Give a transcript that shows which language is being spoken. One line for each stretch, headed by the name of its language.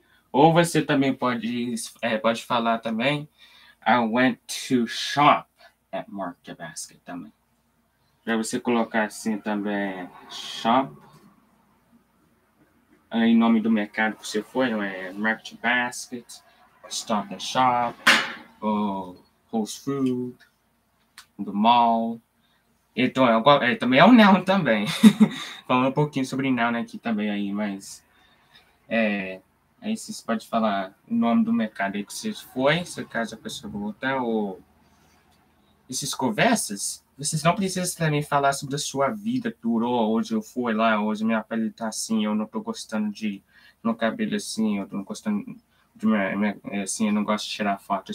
Portuguese: Ou você também pode falar também,
English: I went to shop at Market Basket
Portuguese: também. Pra você colocar assim também, shop. Em nome do mercado que você foi, não é?
English: Market Basket, Stop and Shop, Whole Food, The Mall.
Portuguese: Então, também é um noun também. Falando um pouquinho sobre noun aqui também aí, mas... aí vocês podem falar o nome do mercado aí que você foi, se caso a pessoa voltar, ou... Essas conversas, vocês não precisam também falar sobre a sua vida, tudo, oh, hoje eu fui lá, hoje minha pele tá assim, eu não tô gostando de meu cabelo assim, eu tô não gostando de assim, eu não gosto de tirar foto.